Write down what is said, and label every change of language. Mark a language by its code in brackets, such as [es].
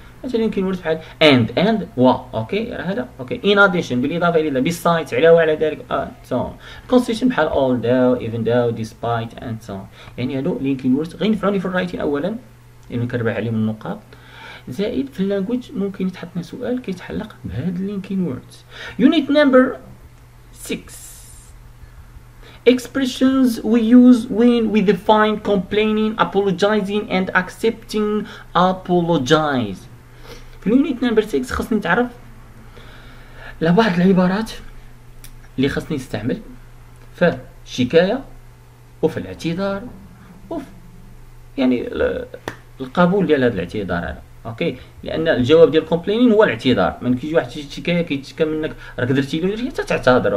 [ar] مثلا لينكين ووردز بحال اند وا. اوكي، راه هذا. اوكي، ان اديشن بالاضافه الى، بيسايدز، على وعلى ذلك، سو اون. كونسيشن بحال اول داو، ايفن داو، ديسبايت اند سو اون. يعني هادو لينكين ووردز غينفعوني في الرايتين اولا، لانه كنربح عليهم النقاط، زائد في اللانجويج ممكن يتحط لنا سؤال كيتعلق بهاد لينكين ووردز. [en] Unit number 6، expressions we use when we define complaining, apologizing and accepting apologize. [ar] في اليونيت نمبر 6 خصني نتعرف لبعض العبارات اللي خصني نستعمل في الشكايه وفي الاعتذار وفي يعني القبول ديال هذا الاعتذار هذا. اوكي، لان الجواب ديال كومبلينين هو الاعتذار. من كيجي واحد الشكايه كيتشكى منك، راك درتي له حتى تعتذر.